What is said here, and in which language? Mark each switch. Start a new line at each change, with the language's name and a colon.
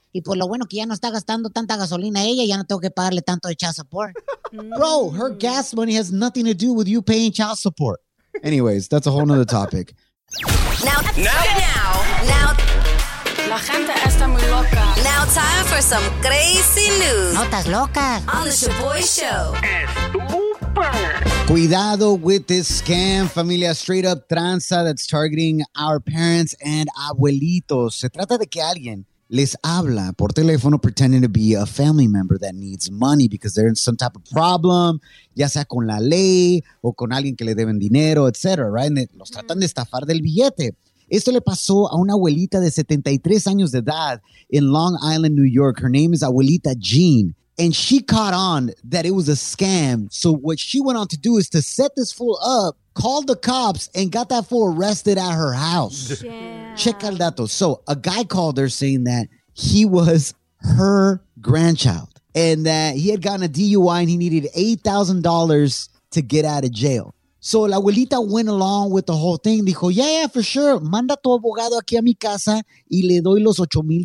Spanish: Y pues lo bueno que ya no está gastando tanta gasolina ella, ya no tengo que pagarle tanto de child support.
English: Bro, her gas money has nothing to do with you paying child support. Anyways, that's a whole nother topic.
Spanish: Now. La gente está muy loca.
English: Now time for some crazy news.
Spanish: Notas locas.
English: On the Shaboy Show. Cuidado with this scam, familia. Straight up tranza that's targeting our parents and abuelitos.
Spanish: Se trata de que alguien les habla por teléfono
English: pretending to be a family member that needs money because they're in some type of problem,
Spanish: ya sea con la ley o con alguien que le deben dinero, etc. Right? Los tratan de estafar del billete. Esto le pasó a una abuelita de 73 años de edad in Long Island, New York.
English: Her name is Abuelita Jean. And she caught on that it was a scam. So what she went on to do is to set this fool up, called the cops, and got that fool arrested at her house. Yeah.
Spanish: Check el dato.
English: So a guy called her saying that he was her grandchild and that he had gotten a DUI and he needed $8,000 to get out of jail. So
Spanish: la abuelita
English: went along with the whole thing.
Spanish: Dijo,
English: yeah, for sure.
Spanish: Manda tu abogado aquí a mi casa y le doy los $8,000.